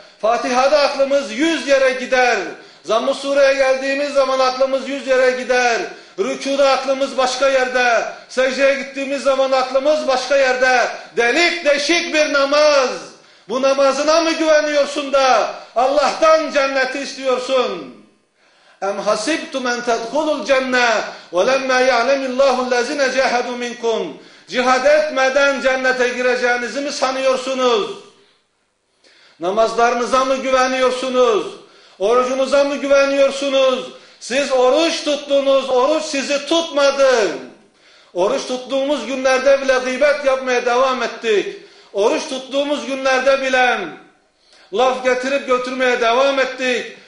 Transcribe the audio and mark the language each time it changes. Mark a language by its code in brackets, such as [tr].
[tr] Fatiha'da aklımız 100 yere gider. Zamm-ı Sure'ye geldiğimiz zaman aklımız 100 yere gider. Rükuda aklımız başka yerde. Secdeye gittiğimiz zaman aklımız başka yerde. Delik deşik bir namaz. Bu namazına mı güveniyorsun da Allah'tan cenneti istiyorsun? [ar] اَمْ حَسِبْتُمْ اَنْ تَدْخُلُ الْجَنَّةِ وَلَمَّا يَعْلَمِ اللّٰهُ الَّذِينَ جَاهَدُوا مِنْكُمْ Cihad etmeden cennete gireceğinizi mi sanıyorsunuz? [tr] Namazlarınıza mı güveniyorsunuz? Orucunuza mı güveniyorsunuz? Siz oruç tuttunuz, oruç sizi tutmadı. Oruç tuttuğumuz günlerde bile gıybet yapmaya devam ettik. Oruç tuttuğumuz günlerde bile laf getirip götürmeye devam ettik.